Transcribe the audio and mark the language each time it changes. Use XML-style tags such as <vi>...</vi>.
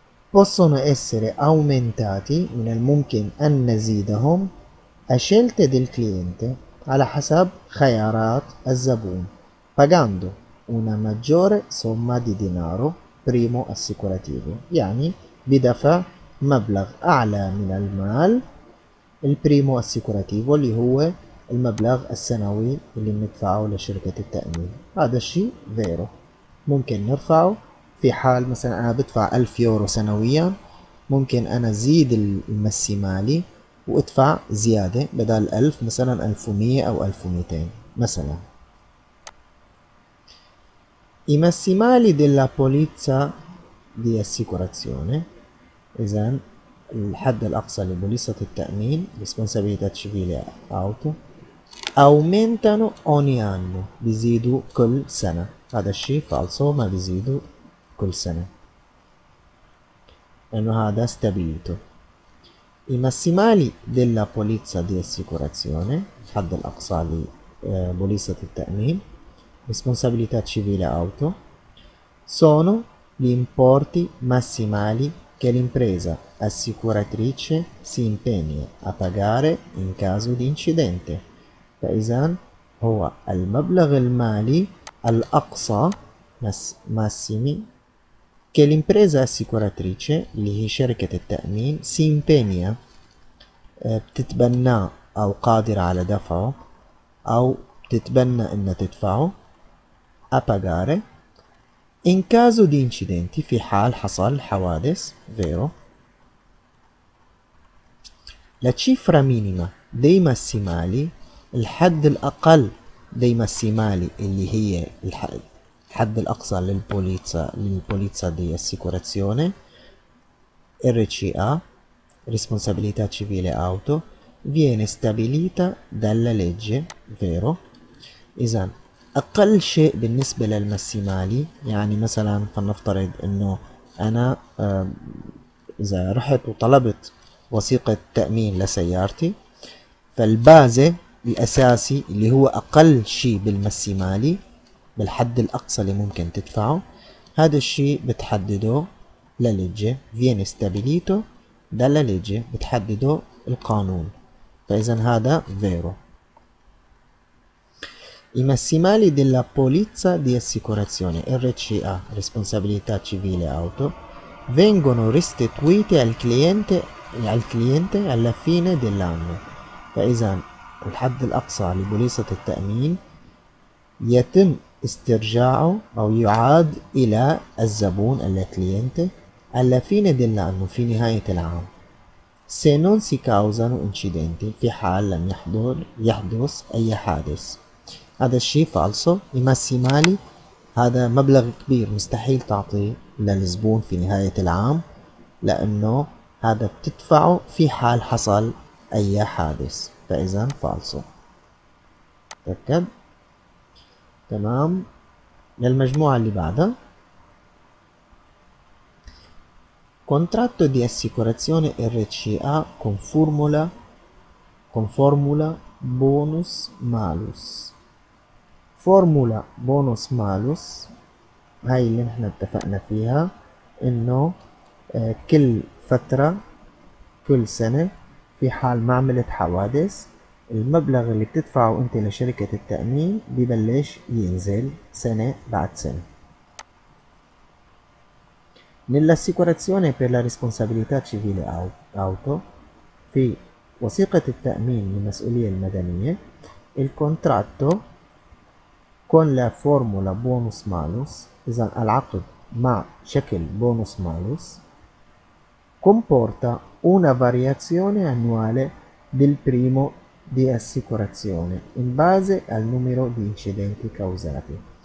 <it>possono essere aumentati,</it> <ar>من الممكن أن نزيدهم,</ar> <it>a scelte del cliente,</it> <ar>على حسب خيارات الزبون,</ar> <it>pagando una maggiore somma di denaro primo assicurativo,</it> <ar>يعني بدفع مبلغ أعلى من المال البريمو assicurativo, اللي هو المبلغ السنوي اللي ندفعه لشركة التأمين. هذا الشيء vero, ممكن نرفعه في حال مثلا أنا بدفع 1000 يورو سنويا, ممكن أنا أزيد الماسيمالي وأدفع زيادة بدل 1000 مثلا 1100 أو 1200 مثلا.</ar> <it>I massimali della polizza di assicurazione,</it> <ar>إذا الحد الأقصى لبوليصة التأمين</ar> <it>responsabilità civile auto, aumentano ogni anno,</it> <ar>bizidu kull sana. هذا الشيء falso, ما بيزيدوا كل سنة لأنه هذا stabilito.</ar> <it>I massimali della polizza di assicurazione,</it> <ar>حد الأقصى لبوليصة التأمين,</ar> <it>responsabilità civile auto, sono gli importi massimali che l'impresa assicuratrice si impegna a pagare in caso di incidente.</it> <ar>فإذن هو المبلغ المالي الأقصى</ar> <it>massimi che l'impresa assicuratrice,</it> <ar>اللي هي شركة التأمين,</ar> <it>si impegna</it> <ar>بتتبنى أو قادرة على دفعه أو بتتبنى إن تدفعه</ar> <it>a pagare in caso di incidenti,</it> <ar>في حال حصل حوادث, vero.</ar> <it>La cifra minima dei massimali,</it> <ar>الحد الأقل</ar> <it>dei massimali,</it> <ar>اللي هي الحد الأقصى للبوليتزا</ar> <it>دي assicurazione, RCA, responsabilità civile auto, viene stabilita dalla legge, vero.</it> <ar>إذن أقل شيء بالنسبة للماسيمالي, يعني مثلا فلنفترض أنه أنا إذا رحت وطلبت وثيقة تأمين لسيارتي, فالبازة الأساسي اللي هو أقل شيء بالماسيمالي, بالحد الأقصى اللي ممكن تدفعه, هذا الشيء بتحدده لا لجي,</ar> <it>viene stabilito dalla legge,</it> <ar>بتحدده القانون. فإذا هذا vero.</ar> <it>I massimali della polizza di assicurazione, RCA, responsabilità civile auto, vengono restituiti al cliente alla fine dell'anno.</it> <ar>فإذن الحد الأقصى لبوليصة التأمين يتم استرجاعه أو يعاد إلى الزبون الكليينتي</ar> <it>alla fine dell'anno,</it> <ar>في نهاية العام.</ar> <it>Se non si causano incidenti,</it> <ar>في حال لم يحدث أي حادث. هذا الشيء فالصو. الماسيمالي هذا مبلغ كبير مستحيل تعطيه للزبون في نهاية العام, لأنه هذا بتدفعه في حال حصل أي حادث. فإذا فالصو. تأكد. تمام. للمجموعة اللي بعدها.</ar> <it>Contratto di assicurazione RCA con formula bonus malus.</it> <ar>فورمولا بونوس مالوس, هاي اللي نحن اتفقنا فيها انه كل فترة كل سنة في حال ما عملت حوادث, المبلغ اللي بتدفعه انت لشركة التأمين ببلش ينزل سنة بعد سنة.</ar> <it>Nell'assicurazione per la responsabilità civile auto,</it> <ar>في وثيقة التأمين للمسؤولية المدنية,</ar> <it>il contratto con la formula bonus malus,</it> <ar>إذن العقد مع شكل</ar> <it>bonus malus, comporta una variazione annuale del primo di assicurazione in base al numero di incidenti causati.</it>